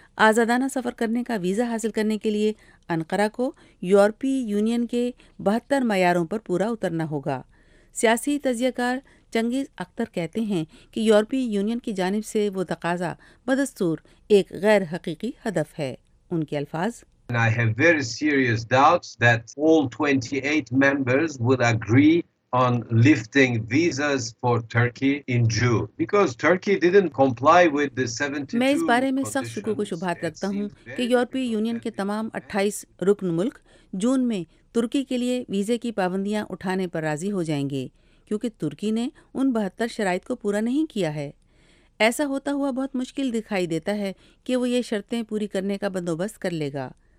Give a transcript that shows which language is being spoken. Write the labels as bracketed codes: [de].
[ur] آزادانہ سفر کرنے کا ویزا حاصل کرنے کے لیے انقرہ کو یورپی یونین کے 72 معیاروں پر پورا اترنا ہوگا۔ سیاسی تجزیہ کار چنگیز اختر کہتے ہیں کہ یورپی یونین کی جانب سے وہ تقاضا بدستور ایک غیر حقیقی ہدف ہے۔ ان کے الفاظ، [en] I have very serious doubts that all 28 members would agree on lifting visas for Turkey in June because Turkey didn't comply with the 72 [ur] میں اس بارے میں سخت شکوں کو شبہات رکھتا ہوں کہ یورپی یونین کے تمام 28 رکن ملک جون میں ترکی کے لیے ویزے کی پابندیاں اٹھانے پر راضی ہو جائیں گے، کیونکہ ترکی نے ان 72 شرائط کو پورا نہیں کیا ہے۔ ایسا ہوتا ہوا بہت مشکل دکھائی دیتا ہے کہ وہ یہ شرطیں پوری کرنے کا بندوبست کر لے گا۔